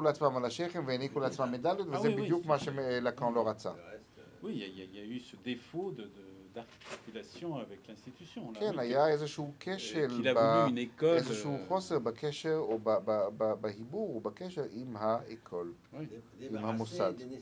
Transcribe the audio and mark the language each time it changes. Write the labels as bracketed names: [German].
[Hebrew] לעצמם על השכם והניקו לעצמם מדליות, וזה בדיוק מה שלקאן לא רצה. [French] Oui, il y a eu ce défaut d'articulation avec l'institution. [Hebrew] כן, היה איזשהו קשר. [French] Qu'il a voulu une école. [Hebrew] איזשהו חוסר בקשר או בהיבור או בקשר עם האקול, עם המוסד.